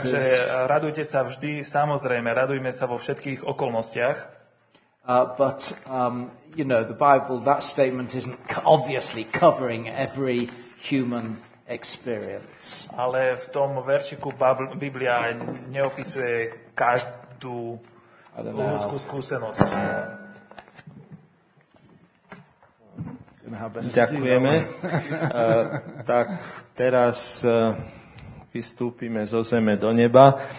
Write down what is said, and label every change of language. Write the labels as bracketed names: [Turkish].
[Slovak] Takže radujte sa vždy, samozrejme, radujme sa vo všetkých okolnostiach. [English] But the Bible, that statement isn't obviously covering every human experience. [Slovak] Ale v tom veršiku Biblia neopisuje každú ľudskú skúsenosť. Ďakujeme. Tak teraz vystúpime zo zeme do neba.